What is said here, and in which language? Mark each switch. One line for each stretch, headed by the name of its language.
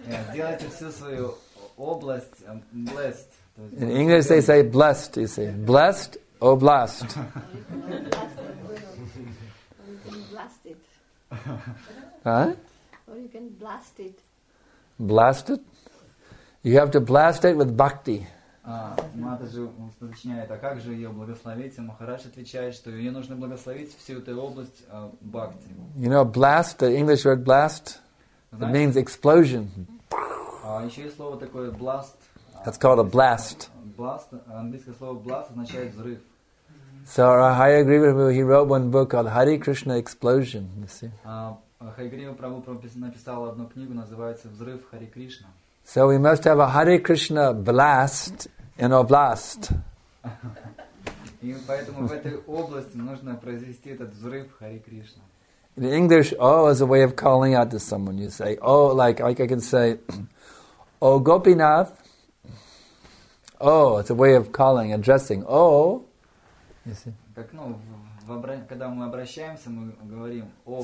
Russian: Сделайте всю свою область blessed.
English: In English they say blessed, you see. Blessed Oblast. You can blast it. Huh? Or you can blast it. Blast it? You have to blast it with bhakti.
Russian: Матаджи уточняет, а как же ее благословить? И Махарадж отвечает, что ее нужно благословить всю эту область бхакти.
English: You know, blast, the English word blast, it means explosion.
Russian: Еще есть слово такое blast.
English: That's called a blast.
Russian: Blast, английское слово blast означает взрыв.
English: So our Hayagriva Prabhu, he wrote one book called Hare Krishna Explosion, you see.
Russian: Hayagriva Prabhu написал одну книгу, называется «Взрыв Hare Krishna».
English: So we must have a Hare Krishna blast in our blast.
Russian: И поэтому в этой области нужно произвести этот взрыв Hare Krishna.
English: In English, oh, is a way of calling out to someone. You say, oh, like I can say, oh, Gopinath. Oh, it's a way of calling, addressing. Oh, you see.
Russian: Так, ну, когда мы обращаемся, мы говорим, oh.